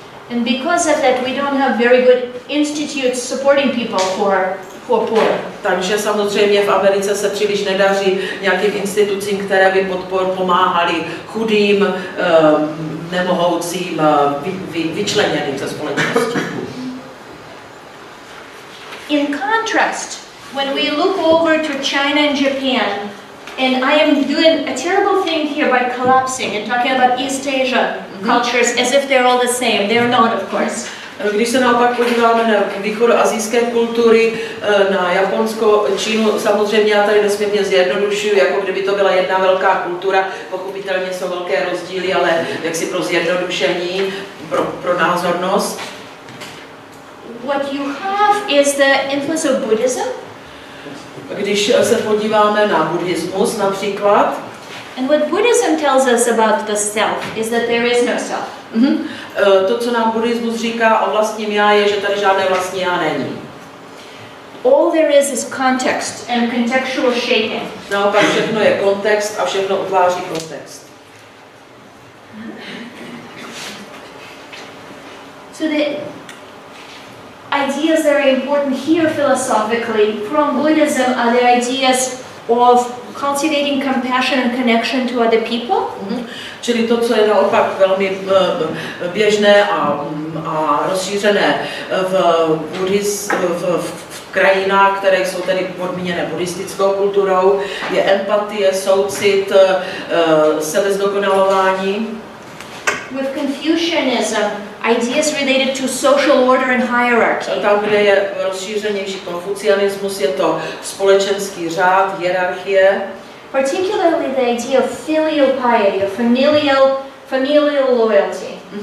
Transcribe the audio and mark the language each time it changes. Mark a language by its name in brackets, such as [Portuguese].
[English] And because of that, we don't have very good institutes supporting people who are poor. [Czech] Takže samozřejmě v Americe se příliš nedaří nějakým institucím, které by pomáhaly chudým, nemohoucím, vyčleněným ze společnosti. [English] In contrast, when we look over to China and Japan, and I am doing a terrible thing here by collapsing and talking about East Asia cultures as if they're all the same. They're not, of course. [Czech] Když se naopak podíváme na východoasijské kultury, na Japonsko, Čínu, samozřejmě já tady nesmírně zjednodušuju, jako kdyby to byla jedna velká kultura, pochopitelně jsou velké rozdíly, ale jaksi pro zjednodušení, pro názornost. [English] What you have is the influence of Buddhism. [Czech] Když se podíváme na buddhismus například. [English] And what Buddhism tells us about the self is that there is no self. Mm-hmm. [Czech] To, co nám buddhismus říká o vlastním já, je, že tady žádné vlastní já není. [English] All there is context and contextual shaping. [Czech] Naopak všechno je kontext a všechno utváří kontext. [English] So the ideas that are important here philosophically from Buddhism are the ideas of cultivating compassion and connection to other people. Mm-hmm. [Czech] Čili to, co je naopak velmi běžné a rozšířené v krajinách, které jsou tedy podmíněné buddhistickou kulturou, je empatie, soucit, sebezdokonalování. [English] With Confucianism, ideas related to social order and hierarchy. [Czech] Tam, kde je rozšířenější konfucianismus, je to společenský řád, hierarchie. [English] Particularly the idea of filial piety, of familial loyalty.